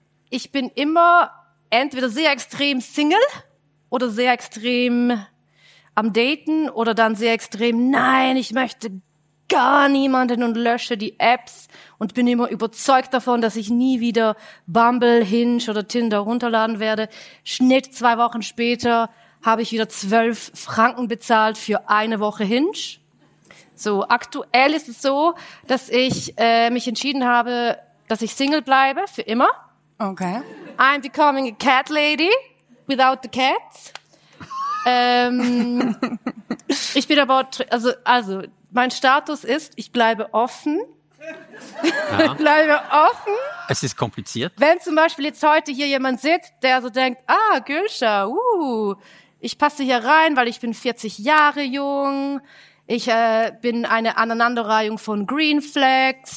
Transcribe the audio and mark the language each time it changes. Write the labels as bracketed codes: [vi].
[de] Ich bin immer entweder sehr extrem Single oder sehr extrem am Daten oder dann sehr extrem, nein, ich möchte gar niemanden und lösche die Apps und bin immer überzeugt davon, dass ich nie wieder Bumble, Hinge oder Tinder runterladen werde. Schnitt 2 Wochen später habe ich wieder 12 Franken bezahlt für eine Woche Hinge. So, aktuell ist es so, dass ich mich entschieden habe, dass ich Single bleibe, für immer. Okay. [en] I'm becoming a cat lady without the cats. [de] ich bin aber, also mein Status ist, ich bleibe offen. Ja. Ich bleibe offen. Es ist kompliziert. Wenn zum Beispiel jetzt heute hier jemand sitzt, der so denkt, ah, Gülşah, ich passe hier rein, weil ich bin 40 Jahre jung. Ich bin eine Aneinanderreihung von Green Flags.